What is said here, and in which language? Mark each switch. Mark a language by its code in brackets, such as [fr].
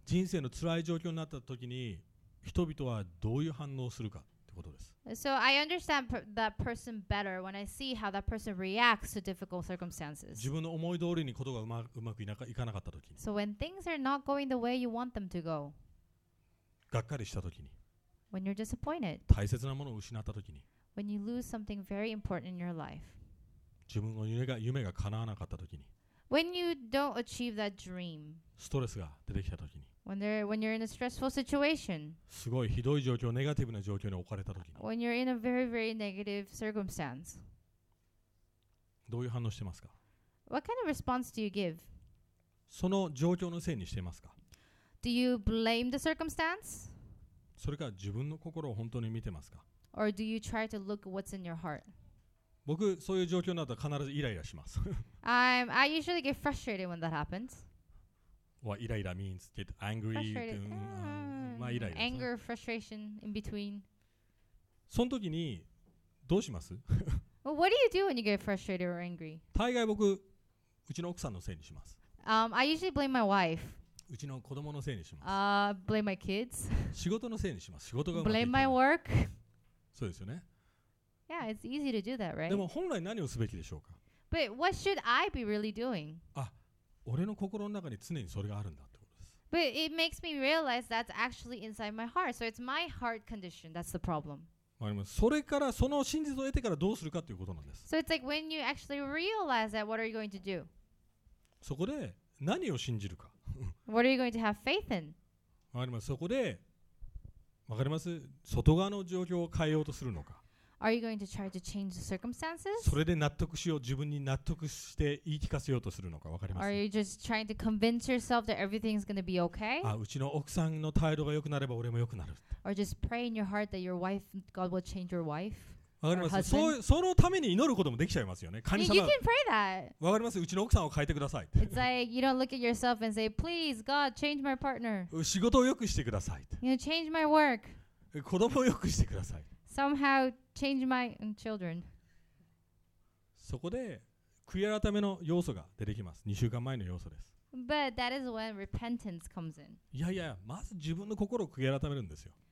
[ja] 人生の辛い状況になった時に人々はどういう反応をするかってことです。 [en] So I understand that person better when I see how that person reacts to difficult circumstances. [ja] 自分の思い通りにことがうまくいかなかった時に。 [en] So when things are not going the way you want them to go. [ja] がっかりした時に。 [en] When you're disappointed. [ja] 大切なものを失った時に。 [en] When you lose something very important in your life. [ja] 自分の夢が叶わなかったときに、 [en] When you don't achieve that dream, [ja] ストレスが出てきたときに、 [en] When you're in a stressful situation, [ja] すごいひどい状況、ネガティブな状況に置かれたときに、 [en] When you're in a very, very negative circumstance, [ja] どういう反応してますか？ [en] What kind of response do you give? [ja] その状況のせいにしていますか? [en] Do you blame the circumstance? [ja] それか自分の心を本当に見てますか? [en] Or do you try to look what's in your heart? [ja] 僕そういう状況になると必ずイライラします。 [en] I usually get frustrated when that happens. What イライラ means get angry. Anger, frustration in between. [ja] その時にどうします? [en] Well, what do you do when you get frustrated or angry? [ja] 大概僕うちの奥さんのせいにします。 [en] I usually blame my wife. [ja] うちの子供のせいにします。 [en] Blame my kids. [ja] 仕事のせいにします。仕事が [en] Blame my work. [ja] そうですよね。 [en] Yeah, it's easy to do that, right? [ja] でも本来何をすべきでしょうか? [en] But what should I be really doing? [ja] あ、俺の心の中に常にそれがあるんだってことです。 [en] But it makes me realize that's actually inside my heart. So it's my heart condition that's the problem. [ja] それからその真実を得てからどうするかということなんです。 [en] So it's like when you actually realize that, what are you going to do? [ja] そこで何を信じるか。 [en] What are you going to have faith in? [ja] そこで、わかります? 外側の状況を変えようとするのか。 [en] Are you going to try to change the circumstances? [ja] それで納得しよう、自分に納得して言い聞かせようとするのか分かりません。 [en] Are you just trying to convince yourself that everything's going to be okay? [ja] あ、うちの奥さんの態度が良くなれば俺も良くなる。 [en] Or just pray in your heart that your wife, God will change your wife. [ja] 分かります。そのために祈ることもできちゃいますよね。神様。 [en] You can pray that. [ja] 分かります。うちの奥さんを変えてください。 [en] It's like you don't look at yourself and say, please, God, change my partner. [ja] 仕事を良くしてください。 [en] You know, change my work. [ja] 子供を良くしてください。 [en] Somehow change my children. [ja] そこで悔い改めの要素が出てきます。 2週間前の要素です。 [en] But that is when repentance comes in. [ja] いやいや、まず自分の心を悔い改めるんですよ。